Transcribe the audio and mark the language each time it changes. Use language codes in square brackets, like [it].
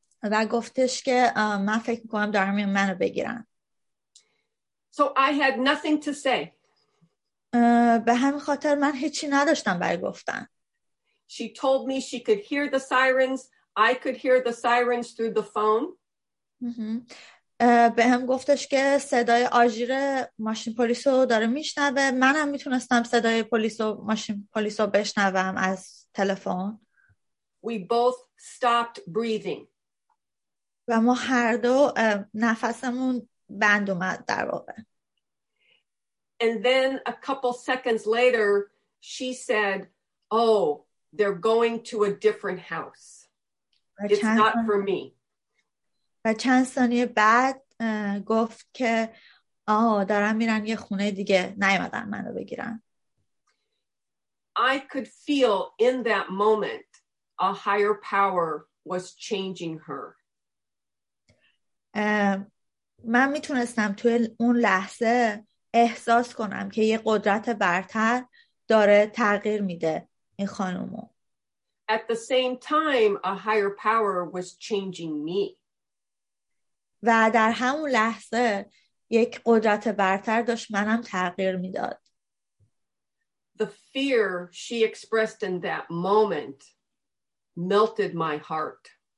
[fa] و گفتش که من فکر میکنم دارن میان منو بگیرن. [en] So I had nothing to say. [fa] به همین خاطر من هیچی نداشتم برای گفتن. [en] She told me she could hear the sirens. I could hear the sirens through the phone. [fa] به هم گفتش که صدای آژیر ماشین پلیس رو داره میشنوه. منم میتونستم صدای پلیس و ماشین پلیس رو بشنوم از تلفن. [en] We both stopped breathing. [fa] و ما هر دو نفسمون بند اومد در واقع. [en] And then a couple seconds later, she said, "Oh, they're going to a different house." It's not for me. I could feel in that moment a higher power was changing her. [fa] من میتونستم توی اون لحظه احساس کنم که یه قدرت برتر داره تغییر میده این خانومو. [en] At the same time, a higher power was changing me. [fa] و در همون لحظه یک قدرت برتر داشت منم تغییر میداد. [en] The fear she expressed in that moment melted my heart.